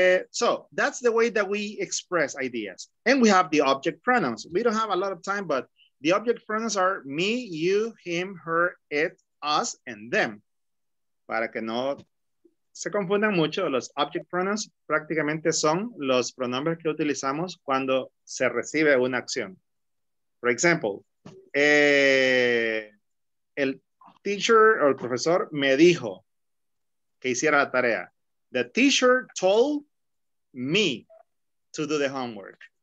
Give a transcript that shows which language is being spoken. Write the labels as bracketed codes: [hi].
[en] So that's the way that we express ideas. And we have the object pronouns. We don't have a lot of time, but the object pronouns are me, you, him, her, it, us, and them. [es] Para que no se confundan mucho, los object pronouns prácticamente son los pronombres que utilizamos cuando se recibe una acción. [en] For example, [es] el teacher o el profesor me dijo que hiciera la tarea. [en] The teacher told me to do the homework.